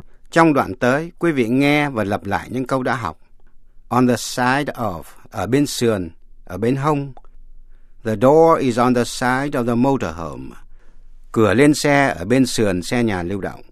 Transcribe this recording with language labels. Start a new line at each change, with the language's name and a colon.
Vietnamese: Trong đoạn tới, quý vị nghe và lặp lại những câu đã học. On the side of, ở bên sườn, ở bên hông.
English: The door is on the side of the motorhome.
Vietnamese: Cửa lên xe ở bên sườn xe nhà lưu động.